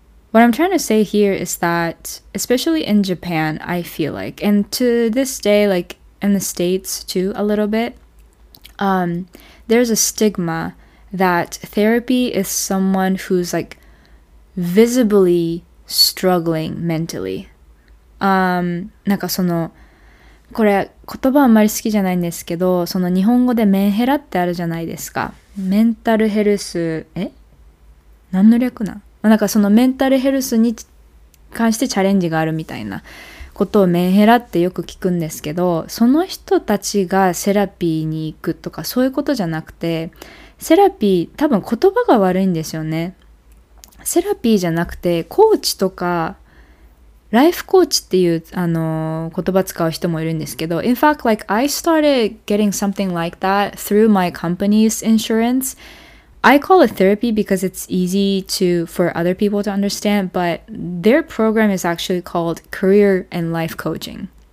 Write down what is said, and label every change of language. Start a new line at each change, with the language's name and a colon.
English: What I'm trying to say here is that, especially in Japan, I feel like, and to this day, like in the States too, a little bit, there's a stigma that therapy is someone who's like visibly struggling mentally.
Japanese: なんかその、これ言葉あんまり好きじゃないんですけど、その日本語でメンヘラってあるじゃないですか。メンタルヘルス、え？何の略なん？なんかそのメンタルヘルスに関してチャレンジがあるみたいなことをメンヘラってよく聞くんですけど、その人たちがセラピーに行くとかそういうことじゃなくて、セラピー多分言葉が悪いんですよね。セラピーじゃなくてコーチとかライフコーチっていう言葉使う人もいるんですけど、
English: In fact, like I started getting something like that through my company's insuranceI call it therapy because it's easy to for other people to understand, but their program is actually called career and life coaching.